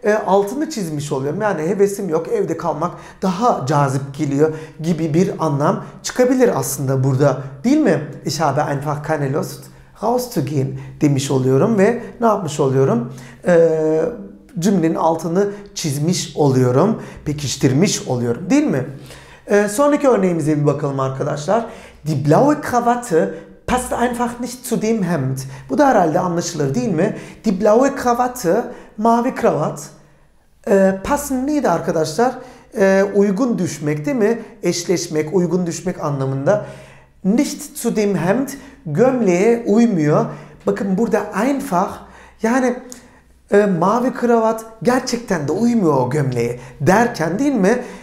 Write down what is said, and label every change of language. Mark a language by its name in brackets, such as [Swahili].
[Turkish] Altını çizmiş oluyorum. Yani hevesim yok evde kalmak daha cazip geliyor gibi bir anlam çıkabilir aslında burada. Değil mi? [German] Ich habe einfach keine Lust rauszugehen [Turkish] demiş oluyorum ve ne yapmış oluyorum? Cümlenin altını çizmiş oluyorum, pekiştirmiş oluyorum değil mi? Sonraki örneğimize bir bakalım arkadaşlar. [German] Die blaue Krawatte passt einfach nicht zu dem Hemd. [Turkish] Bu da herhalde anlaşılır değil mi? [German] Die blaue Krawatte, [Turkish] mavi kravat, passen neydi arkadaşlar? Uygun düşmek değil mi? Eşleşmek, uygun düşmek anlamında. [German] Nicht zu dem Hemd, [Turkish] gömleğe uymuyor. Bakın burada einfach, yani mavi kravat gerçekten de uymuyor o gömleğe derken değil mi?